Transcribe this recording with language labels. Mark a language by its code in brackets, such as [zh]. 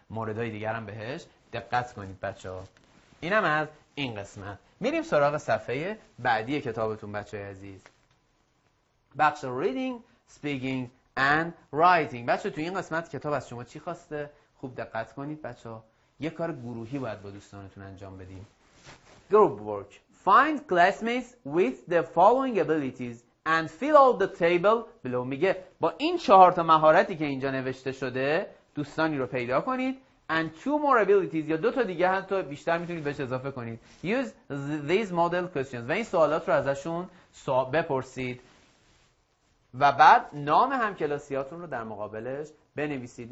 [fa] موردهای دیگر هم بهش دقت کنید بچه ها. اینم از این قسمت. میریم سراغ صفحه بعدی کتابتون بچه های عزیز. بخش [en] reading, speaking and writing. [fa] بچه تو این قسمت کتاب از شما چی خواسته؟ خوب دقت کنید بچه‌ها. یه کار گروهی باید با دوستانتون انجام بدیم. [en] Group work. Find classmates with the following abilities and fill out the table below. [fa] میگه با این چهار تا مهارتی که اینجا نوشته شده دوستانی رو پیدا کنید [en] and two more abilities [fa] یا دو تا دیگه حتی بیشتر میتونید بهش اضافه کنید. [en] Use these model questions [fa] و این سوالات رو ازشون بپرسید و بعد نام همکلاسیاتون رو در مقابلش بنویسید.